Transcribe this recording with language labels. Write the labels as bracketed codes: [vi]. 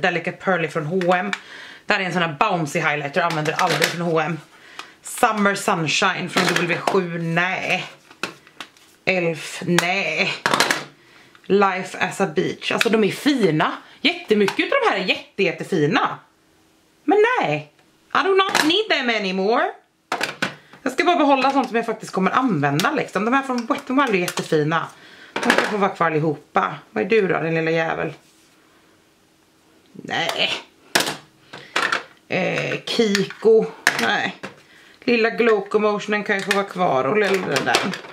[sv] Delicate Pearly från H&M. Det här är en sån här [en] bouncy highlighter. [sv] Använder aldrig från H&M. Summer Sunshine från W7. Nej. Elf. Nej. Life as a Beach. Alltså de är fina. Jättemycket av de här är jättefina. Men nej. [en] I do not need them anymore. [sv] Jag ska bara behålla sånt som jag faktiskt kommer använda liksom. De här från Wet n Wild är jättefina. De ska få vara kvar allihopa. Vad är du då, den lilla jävel? Nej. Kiko. Nej. Lilla Glocomotionen kan ju få vara kvar och lilla den.